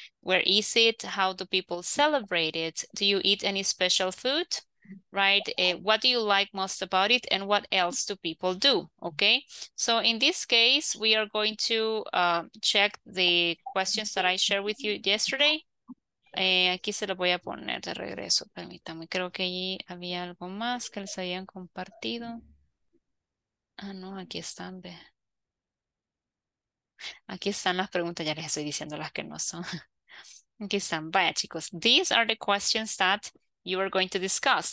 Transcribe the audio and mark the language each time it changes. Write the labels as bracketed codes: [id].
[en] Where is it? How do people celebrate it? Do you eat any special food? Right? What do you like most about it? And what else do people do? Okay? So, in this case, we are going to check the questions that I shared with you yesterday. [es] Aquí se lo voy a poner de regreso, permítanme. Creo que allí había algo más que les habían compartido. Ah, no, aquí están. Ve. Aquí están las preguntas, ya les estoy diciendo las que no son. Aquí están. Vaya, chicos. [en] These are the questions that you are going to discuss.